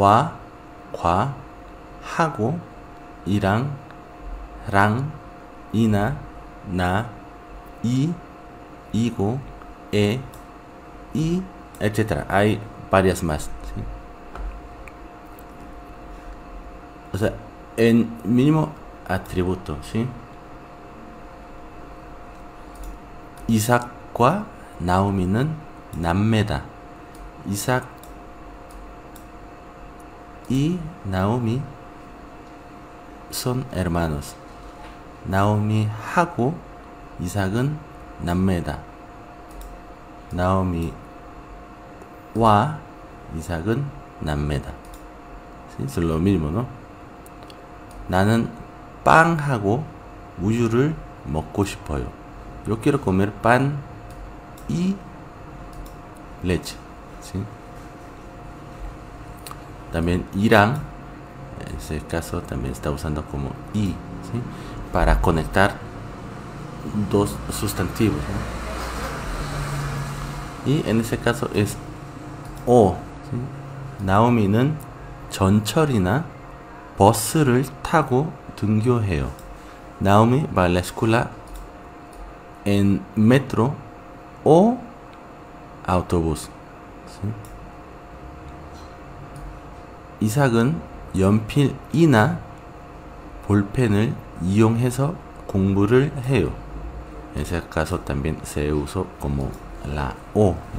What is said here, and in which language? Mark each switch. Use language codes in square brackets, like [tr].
[es] Wa, kwa, hago. Irán, rang, ina, na, i, igo, e, i, etc. Hay varias más. ¿Sí? O sea, en mínimo atributo, ¿sí? [ko] Isaac과 Naomi는 남매다. [es] Isaac y Naomi son hermanos. [ko] Naomi 하고 이삭은 남매다. Naomi 와 이삭은 남매다. [es] Sí, es lo mismo, ¿no? [ko] 나는 빵하고 우유를 먹고 싶어요. [es] Yo quiero comer pan y leche. Sí. También 이랑. En ese caso también está usando como i, ¿sí? Para conectar dos sustantivos, ¿no? Y en ese caso es o, ¿sí? [ko] Naomi는 전철이나 버스를 타고 등교해요. [es] Naomi va a la escuela en metro o autobús, ¿sí? [ko] Isaac은 연필이나 볼펜을 이용해서 공부를 해요. [es] En ese caso también se usó como la O.